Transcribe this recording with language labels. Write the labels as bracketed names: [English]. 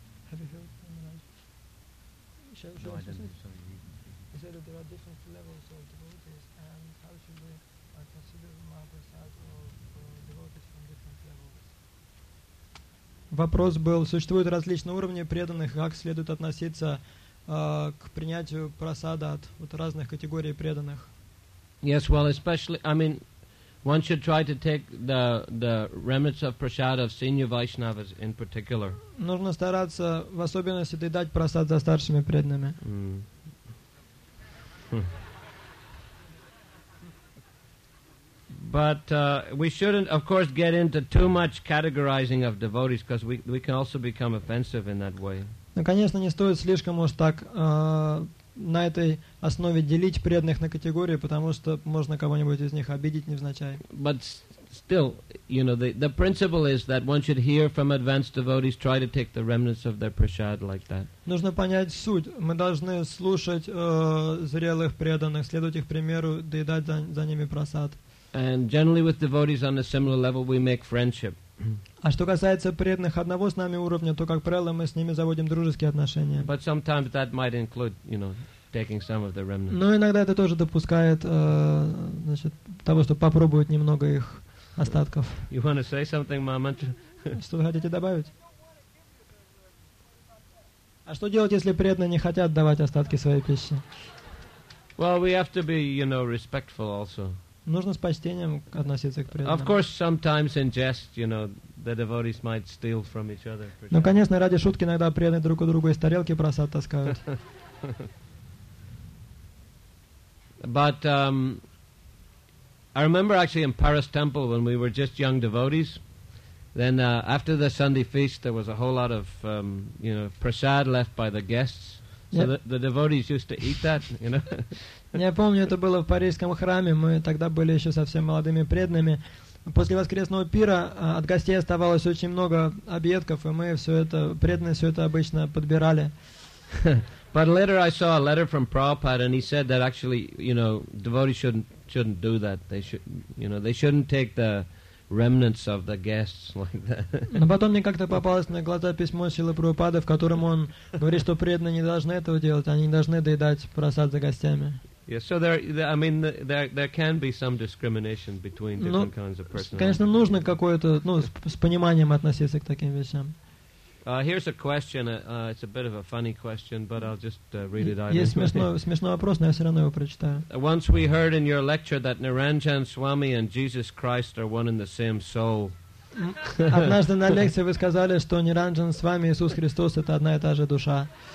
[English] Have you heard from the Is that there are different levels of devotees and how should we consider Mahaprasad or devotees from different levels? [Russian] Вопрос был, существуют различные уровни преданных, как следует относиться к принятию просада от вот, разных категорий преданных. [English] Yes, well, especially, I mean, one should try to take the remnants of prasad of senior Vaishnavas in particular. [Russian] Нужно стараться в особенности доедать просад за старшими преданными. [English] But we shouldn't, of course, get into too much categorizing of devotees because we can also become offensive in that way. [Russian] Но, конечно, не стоит слишком уж так на этой основе делить преданных на категории, потому что можно кого-нибудь из них обидеть невзначай. [English] But still, you know, the principle is that one should hear from advanced devotees, try to take the remnants of their prasad like that. [Russian] Нужно понять суть. Мы должны слушать зрелых преданных, следовать их примеру, доедать за ними просад. [English] And generally with devotees on a similar level, we make friendship. [Russian] А что касается преданных одного с нами уровня, то, как правило, мы с ними заводим дружеские отношения. [English] But sometimes that might include, you know, taking some of the remnants. [Russian] Но иногда это тоже допускает значит, того, чтобы попробовать немного их остатков. [English] You want to say something, Mahamantra? [Russian] Что вы хотите добавить? А что делать, если преданные не хотят давать остатки своей пищи? [English] Well, we have to be, you know, respectful also. [Russian] Нужно с почтением относиться к преданным. [English] Of course, sometimes in jest, you know, the devotees might steal from each other. [Russian] Ну, конечно, ради шутки иногда преданные друг у друга из тарелки просад таскают. [English] But I remember actually in Paris Temple when we were just young devotees, then after the Sunday feast there was a whole lot of you know, prasad left by the guests. So the devotees used to eat that, you know. [Russian] Я помню, это было в парижском храме. Мы тогда были еще совсем молодыми преданными. После воскресного пира от гостей оставалось очень много объедков, и мы все это, преданные все это обычно подбирали. [English] But later I saw a letter from Prabhupada, and he said that actually, you know, devotees shouldn't do that. They should, you know, they shouldn't take the remnants of the guests like that. [Russian] Но потом мне как-то попалось на глаза письмо Шрилы Прабхупады, в котором он говорит, что преданные не должны этого делать, они не должны доедать просад за гостями. [English] Yeah, so there, I mean, there can be some discrimination between different kinds of personality. [Russian] Конечно, нужно какое-то, ну, с пониманием относиться к таким вещам. [English] Here's a question. It's a bit of a funny question, but I'll just read it out. [Russian] Есть смешной вопрос, но я все равно его прочитаю. [English] Once we heard in your lecture that Niranjan Swami and Jesus Christ are one and the same soul. [Russian] Однажды на лекции вы сказали, что Ниранджан с вами Иисус Христос это одна и та же душа.